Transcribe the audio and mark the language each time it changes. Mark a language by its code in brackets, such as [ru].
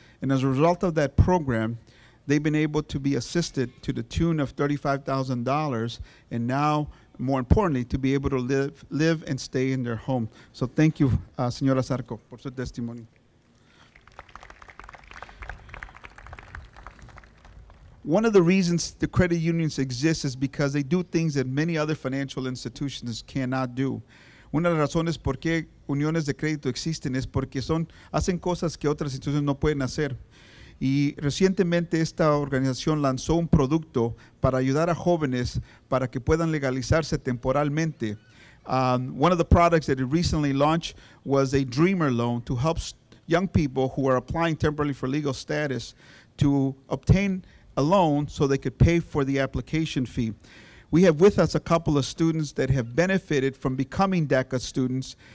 [en] And as a result of that program, they've been able to be assisted to the tune of $35,000, and now, more importantly, to be able to live and stay in their home. So thank you, Señora Zarco, [es] por su testimonio. [en] One of the reasons the credit unions exist is because they do things that many other financial institutions cannot do. [es] Una de las razones por qué uniones de crédito existen es porque son hacen cosas que otras instituciones no pueden hacer. Y recientemente esta organización lanzó un producto para ayudar a jóvenes para que puedan legalizarse temporalmente. [en] One of the products that it recently launched was a Dreamer loan to help young people who are applying temporarily for legal status to obtain a loan so they could pay for the application fee. We have with us a couple of students that have benefited from becoming DACA students.